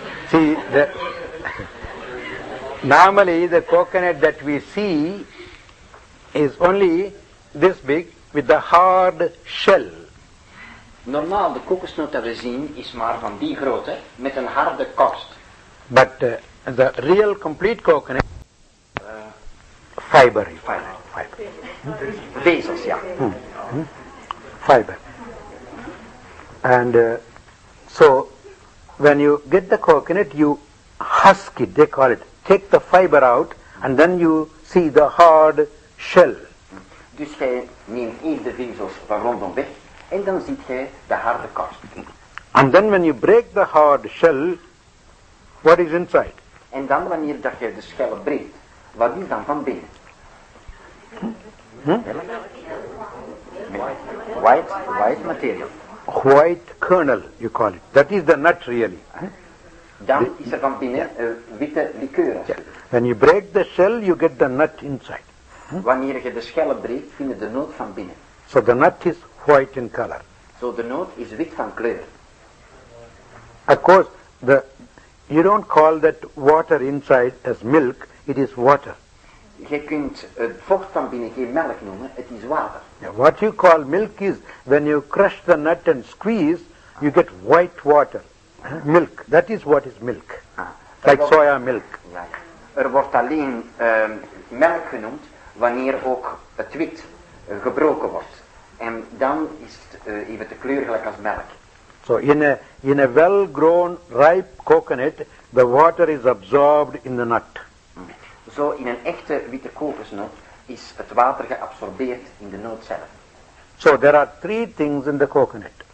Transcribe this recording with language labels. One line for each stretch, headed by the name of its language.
English: See, normally the coconut that we see is only this big with the hard shell.
Dutch: Normaal de kokosnoot dat we zien is maar van die grootte met een harde korst.
English: But the real complete coconut fiber.
Dutch: Vezels, ja.
English: Fiber. And so when you get the coconut, you husk it, they call it. Take the fiber out, and then you see the hard shell.
Dutch: Dus jij neemt eerst de vezels van rondom weg, en dan ziet jij de harde korst.
English: And then when you break the hard shell, what is inside?
Dutch: En dan wanneer dat je de schel breekt, wat is dan van binnen?
English: white material. White kernel, you call it. That is the nut, really.
Dutch: Dan is er van binnen witte liqueur.
English: Yeah. When you break the shell, you get the nut inside.
Dutch: Wanneer je de schellen breekt, vind je de noot van binnen.
English: So the nut is white in color.
Dutch: So the noot is wit van kleur.
English: Of course, you don't call that water inside as milk, it is water.
Dutch: Je kunt het vocht van binnen geen melk noemen, het is water.
English: Yeah, what you call milk is, when you crush the nut and squeeze, you get white water. Milk, that is what is milk. Ah, like soya milk.
Dutch: Ja, ja. Er wordt alleen melk genoemd wanneer ook het wit gebroken wordt. En dan is het even de kleur gelijk als melk.
English: So in a well-grown, ripe coconut, the water is absorbed in the nut.
Dutch: Zo in een echte witte kokosnoot is het water geabsorbeerd in de noot zelf.
English: So there are three things in the coconut.